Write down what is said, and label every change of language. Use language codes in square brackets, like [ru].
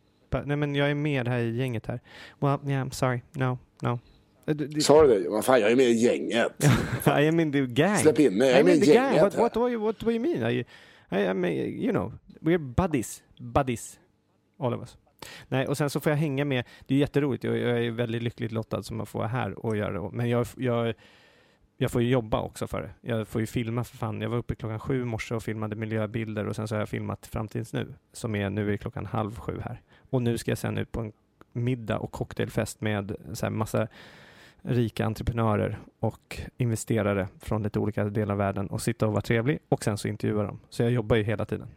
[sv] But, nej, men jag är med här i gänget här. [en] Well, yeah, I'm sorry. No. [sv] Sorry, vad fan, jag är med i gänget. [en] I am in the gang. [sv] Släpp in mig, jag är med i gänget. [en] What do you mean? I mean, we're buddies, all of us. [sv] Nej, och sen så får jag hänga med. Det är jätteroligt, jag är väldigt lyckligt lottad som man får här och göra det. Men jag får ju jobba också för det. Jag får ju filma för fan. Jag var uppe klockan 7 i morse och filmade miljöbilder. Och sen så har jag filmat Framtidens nu. Som är nu är klockan 6:30 här. Och nu ska jag sen ut på en middag och cocktailfest med så här massa rika entreprenörer och investerare från lite olika delar av världen. Och sitta och vara trevlig. Och sen så intervjua dem. Så jag jobbar ju hela tiden.